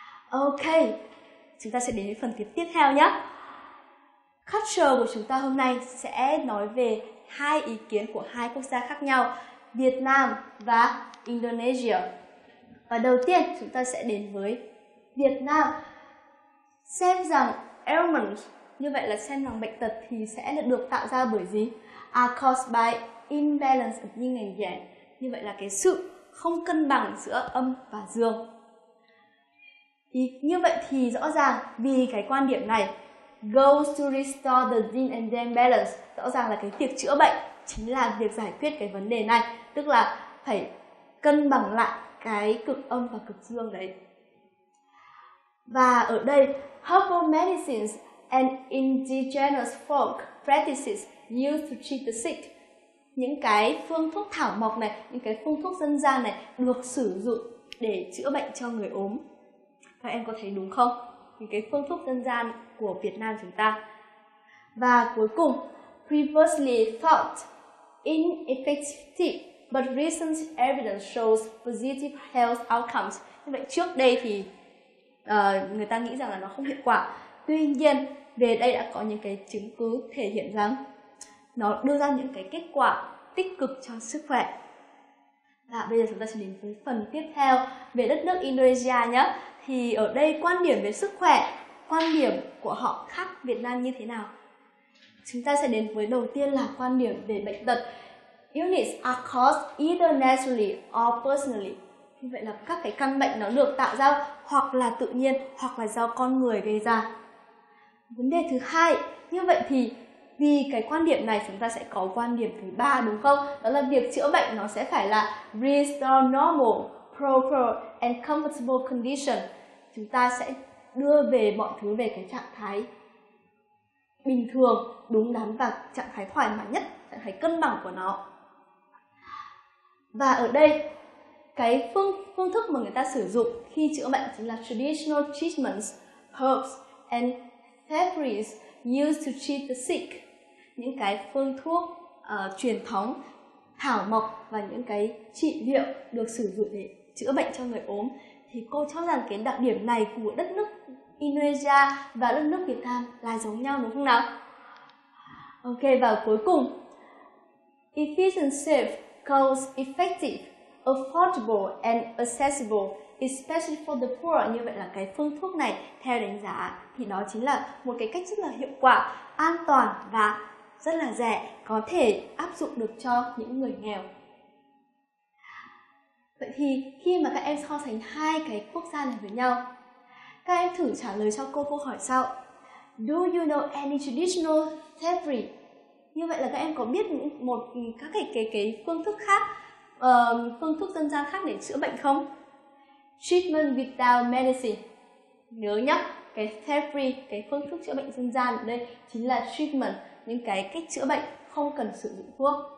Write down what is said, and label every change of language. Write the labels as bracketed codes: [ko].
[vi] Ok, chúng ta sẽ đến với phần tiếp theo nhé. Culture của chúng ta hôm nay sẽ nói về hai ý kiến của hai quốc gia khác nhau, Việt Nam và Indonesia. Và đầu tiên chúng ta sẽ đến với Việt Nam. Xem rằng ailments, như vậy là xem rằng bệnh tật thì sẽ được tạo ra bởi gì? [en] Are caused by imbalance of yin and yang. [vi] Như vậy là cái sự không cân bằng giữa âm và dương. Thì như vậy thì rõ ràng vì cái quan điểm này, [en] goes to restore the yin and yang balance, [vi] rõ ràng là cái việc chữa bệnh chính là việc giải quyết cái vấn đề này, tức là phải cân bằng lại cái cực âm và cực dương đấy. Và ở đây, [en] herbal medicines and indigenous folk practices used to treat the sick. [vi] Những cái phương thuốc thảo mộc này, những cái phương thuốc dân gian này được sử dụng để chữa bệnh cho người ốm. Các em có thấy đúng không? Những cái phương thuốc dân gian của Việt Nam chúng ta. Và cuối cùng, [en] previously thought ineffective, but recent evidence shows positive health outcomes. [vi] Như vậy trước đây thì người ta nghĩ rằng là nó không hiệu quả. Tuy nhiên, về đây đã có những cái chứng cứ thể hiện rằng nó đưa ra những cái kết quả tích cực cho sức khỏe. Và bây giờ chúng ta sẽ đến với phần tiếp theo về đất nước Indonesia nhé. Thì ở đây quan điểm về sức khỏe, quan điểm của họ khác Việt Nam như thế nào? Chúng ta sẽ đến với đầu tiên là quan điểm về bệnh tật. [en] Illness are caused either naturally or personally. [vi] Như vậy là các cái căn bệnh nó được tạo ra hoặc là tự nhiên hoặc là do con người gây ra. Vấn đề thứ hai, như vậy thì vì cái quan điểm này chúng ta sẽ có quan điểm thứ ba đúng không? Đó là việc chữa bệnh nó sẽ phải là [en] restore normal, proper and comfortable condition. [vi] Chúng ta sẽ đưa về mọi thứ về cái trạng thái bình thường, đúng đắn và trạng thái thoải mái nhất, trạng thái cân bằng của nó. Và ở đây, cái phương thức mà người ta sử dụng khi chữa bệnh chính là [en] traditional treatments, herbs and fabrics used to treat the sick. [vi] Những cái phương thuốc truyền thống, thảo mộc và những cái trị liệu được sử dụng để chữa bệnh cho người ốm. Thì cô cho rằng cái đặc điểm này của đất nước Indonesia và đất nước Việt Nam là giống nhau đúng không nào? Ok, và cuối cùng, [en] Efficient, safe, cost effective, affordable and accessible, especially for the poor. [vi] Như vậy là cái phương thuốc này theo đánh giá thì đó chính là một cái cách rất là hiệu quả, an toàn và rất là rẻ, có thể áp dụng được cho những người nghèo. Vậy thì khi mà các em so sánh hai cái quốc gia này với nhau, các em thử trả lời cho cô câu hỏi sau. [en] Do you know any traditional therapy? [vi] Như vậy là các em có biết một các cái phương thức khác, phương thức dân gian khác để chữa bệnh không? [en] Treatment without medicine. [vi] Nhớ nhá, cái therapy, cái phương thức chữa bệnh dân gian ở đây chính là treatment, những cái cách chữa bệnh không cần sử dụng thuốc.